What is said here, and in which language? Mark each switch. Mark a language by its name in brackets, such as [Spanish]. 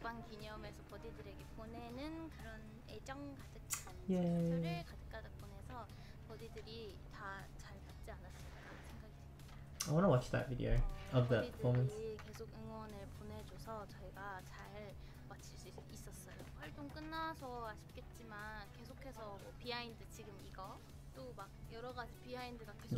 [Korean] 기념해서 버디들에게 보내는 그런 애정 가득한 질투를 가득가득 보내서 버디들이 다 잘 받지 않았을까 생각이 듭니다. [English] I wanna watch that video of the performance. [Korean] 버디들이 계속 응원을 보내줘서 저희가 잘 마칠 수 있었어요. 활동 끝나서 아쉽겠지만 계속해서 뭐 비하인드 지금 이거 또 막 여러 가지 비하인드가 계속